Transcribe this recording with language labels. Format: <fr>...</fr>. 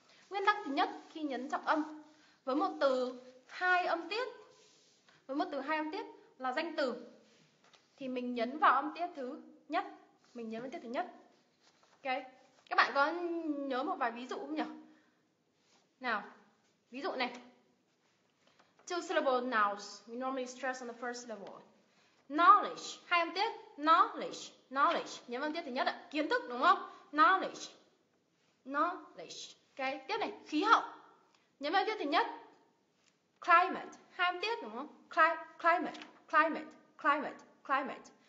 <vi>Nguyên tắc thứ nhất khi nhấn trọng âm với một từ hai âm tiết, với một từ hai âm tiết là danh từ, thì mình nhấn vào âm tiết thứ nhất. Mình nhấn âm tiết thứ nhất. Ok. Các bạn có nhớ một vài ví dụ không nhỉ? Nào, ví dụ này.</vi> <en>Two syllable nouns, we normally stress on the first syllable.</en> <vi>Knowledge, hai âm tiết. Knowledge, nhấn âm tiết thứ nhất ạ. Kiến thức, đúng không? Knowledge. Okay. Tiếp này, khí hậu. Nhấn âm tiết thứ nhất. Climate, hai âm tiết, đúng không? Climate.</vi>